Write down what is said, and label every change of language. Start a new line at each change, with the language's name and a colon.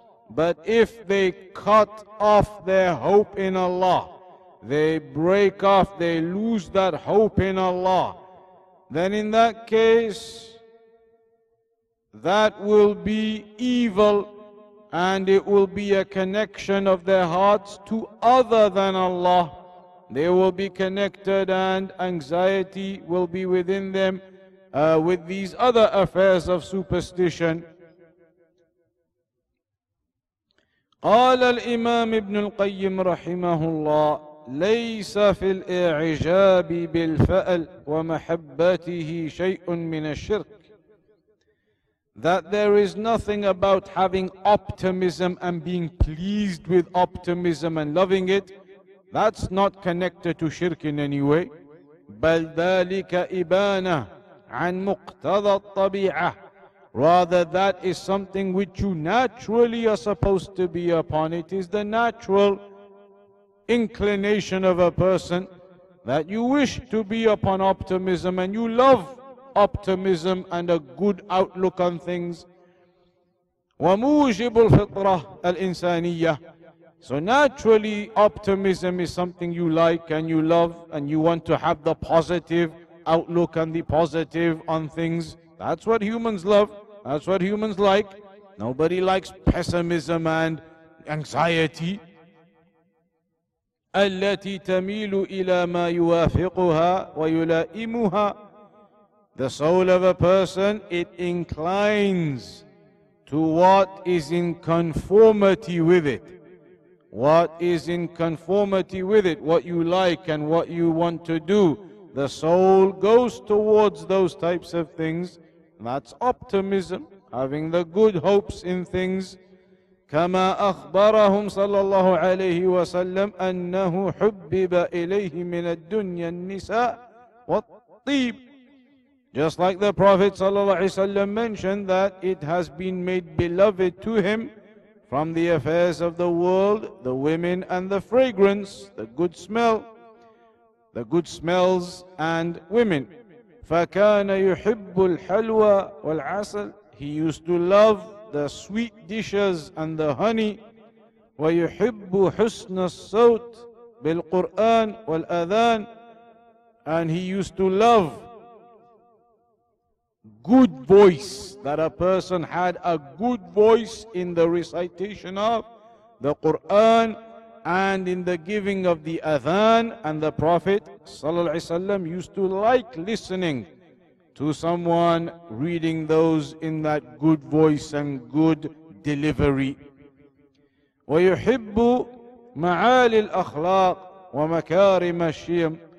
English: But if they cut off their hope in Allah, they break off, they lose that hope in Allah, then in that case, that will be evil, and it will be a connection of their hearts to other than Allah. They will be connected and anxiety will be within them with these other affairs of superstition.
Arabic: قال الإمام ابن القيم رحمه الله ليس في الإعجاب بالفأل ومحبته شيء من الشرك.
English: That there is nothing about having optimism and being pleased with optimism and loving it. That's not connected to shirk in any way.
Arabic: بل ذلك إبانة عن مقتضى الطبيعة.
English: Rather, that is something which you naturally are supposed to be upon. It is the natural inclination of a person that you wish to be upon optimism and you love optimism and a good outlook on things.
Arabic: وموجب الفطرة الإنسانية.
English: So naturally, optimism is something you like and you love and you want to have the positive outlook and the positive on things. That's what humans love. That's what humans like. Nobody likes pessimism and anxiety.
Arabic: التي تميل إلى ما يوافقها ويلائمها.
English: The soul of a person, it inclines to what is in conformity with it. What is in conformity with it, what you like and what you want to do. The soul goes towards those types of things. That's optimism, having the good hopes in things.
Arabic: كما أخبرهم صلى الله عليه وسلم أنه حبب إليه من الدنيا النساء والطيب.
English: Just like the Prophet
Arabic: صلى الله عليه وسلم
English: mentioned that it has been made beloved to him from the affairs of the world, the women and the fragrance, the good smell, the good smells and women.
Arabic: فَكَانَ يُحِبُّ الْحَلْوَى وَالْعَسَلِ.
English: He used to love the sweet dishes and the honey.
Arabic: وَيُحِبُّ حُسْنَ الصَّوْتِ بِالْقُرْآنِ وَالْأَذَانِ.
English: And he used to love good voice, that a person had a good voice in the recitation of the Qur'an and in the giving of the adhan. And the Prophet
Arabic: sallallahu alaihi wasallam
English: used to like listening to someone reading those in that good voice and good delivery.
Arabic: ويحب معالي الاخلاق ومكارم الشيم.